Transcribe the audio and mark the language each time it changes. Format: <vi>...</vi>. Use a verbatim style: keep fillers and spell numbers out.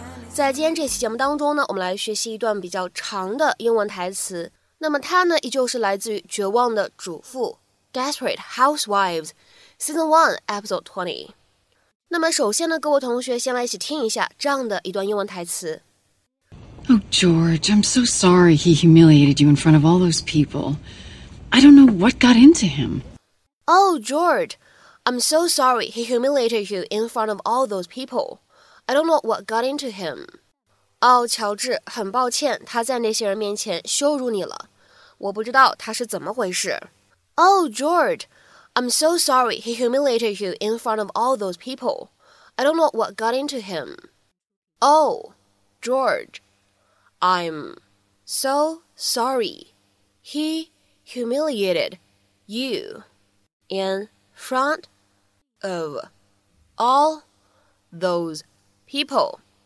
<zh>在今天这期节目当中呢，我们来学习一段比较长的英文台词。那么它呢，依旧是来自于《绝望的主妇》（Desperate Housewives, Season One, Episode Twenty）。那么首先呢，各位同学先来一起听一下这样的一段英文台词。</zh> <en>Oh, George, I'm so sorry he humiliated you in front of all those people. I don't know what got into him. Oh, George, I'm so sorry he humiliated you in front of all those people. I don't know what got into him.</en> <zh>哦，乔治，很抱歉，他在那些人面前羞辱你了。我不知道他是怎么回事。</zh> <en>Oh, George, I'm so sorry he humiliated you in front of all those people. I don't know what got into him. Oh, George. I'm so sorry he humiliated you in front of all those people.</en>